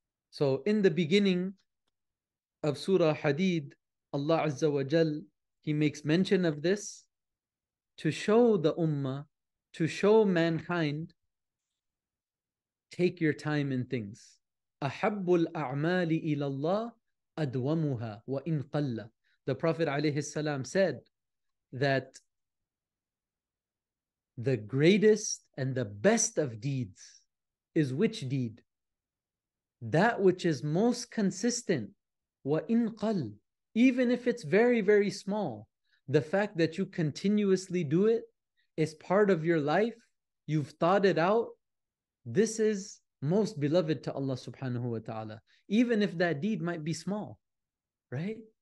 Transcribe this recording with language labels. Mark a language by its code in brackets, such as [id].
[en] So in the beginning of Surah Hadid, Allah azza wa jal, he makes mention of this to show the ummah, to show mankind, take your time in things. [ar] أحب الأعمال إلى الله أدومها وإن قل. [en] The Prophet عليه السلام said that the greatest and the best of deeds is which deed? That which is most consistent. [ar] وإن قل. [en] Even if it's very, very small, the fact that you continuously do it is part of your life, you've thought it out, this is most beloved to Allah subhanahu wa ta'ala, even if that deed might be small, right?